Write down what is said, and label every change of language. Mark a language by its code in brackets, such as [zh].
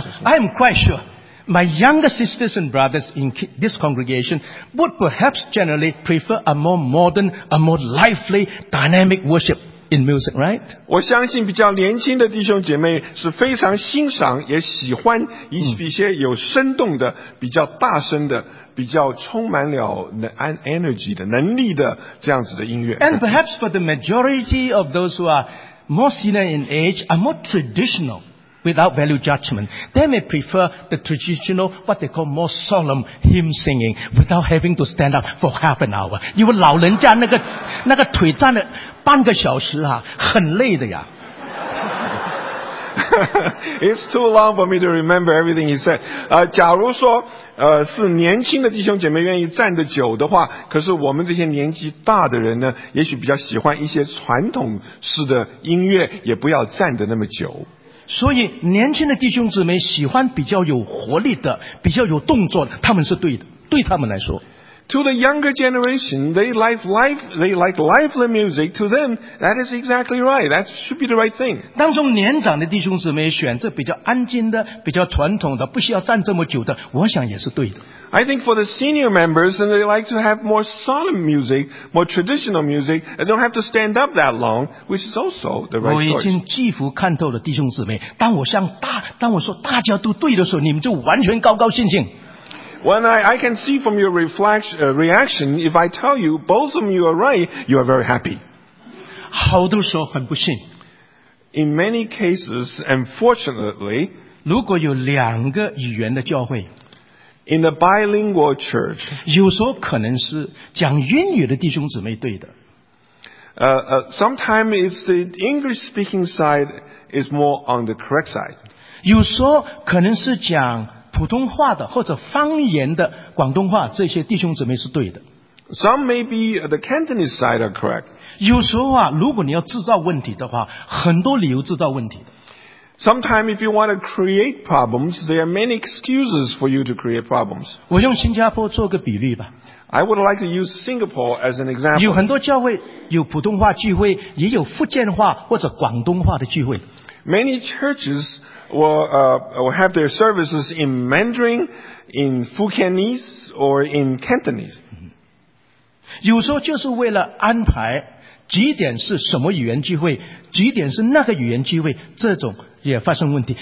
[en] I'm quite sure my younger sisters and brothers in this congregation would perhaps generally prefer a more modern, a more lively, dynamic worship in music, right? [zh] 我相信比较年轻的弟兄姐妹是非常欣赏也喜欢一些有生动的、比较大声的比较充满了 energy 的能力的这样子的音乐。 [en] And perhaps for the majority of those who are more senior in age, are more traditional without value judgment, they may prefer the traditional, what they call more solemn hymn singing without having to stand up for half an hour. [zh] 因为老人家那个腿站了半个小时啊，很累的呀。 [en] It's too long for me to remember everything he said. [zh] 假如说是年轻的弟兄姐妹愿意站得久的话，可是我们这些年纪大的人呢，也许比较喜欢一些传统式的音乐，也不要站得那么久。所以年轻的弟兄姊妹喜欢比较有活力的，比较有动作的，他们是对的，对他们来说。 [en] To the younger generation, they like lively music. To them, that is exactly right. That should be the right thing. [zh] 当中年长的弟兄姊妹选择比较安静的、比较传统的、不需要站这么久的，我想也是对的。 [en] I think for the senior members, and they like to have more solemn music, more traditional music, and don't have to stand up that long, which is also the right choice. [zh] 我已经几乎看透了弟兄姊妹。当我说大家都对的时候，你们就完全高高兴兴。 [en] When I can see from your reaction, if I tell you both of you are right, you are very happy. [zh] 好多时候很不幸。 [en] In many cases, unfortunately, [zh] 如果有两个语言的教会 [en] in a bilingual church, [zh] 有时候可能是讲英语的弟兄姊妹对的。 [en] Sometimes it's the English speaking side is more on the correct side. [zh] 有时候可能是讲普通话的或者方言的广东话，这些弟兄姊妹是对的。 [en] Some may be the Cantonese side are correct. [zh] 有时候啊，如果你要制造问题的话，很多理由制造问题的。 [en] Sometimes if you want to create problems, there are many excuses for you to create problems. [zh] 我用新加坡做个比例吧。 [en] I would like to use Singapore as an example. [zh] 有很多教会有普通话聚会，也有福建话或者广东话的聚会。 [en] Many churches will have their services in Mandarin, in Fukienese, or in Cantonese. [zh] 有时候就是为了安排几点是什么语言聚会，几点是那个语言聚会，这种也发生问题。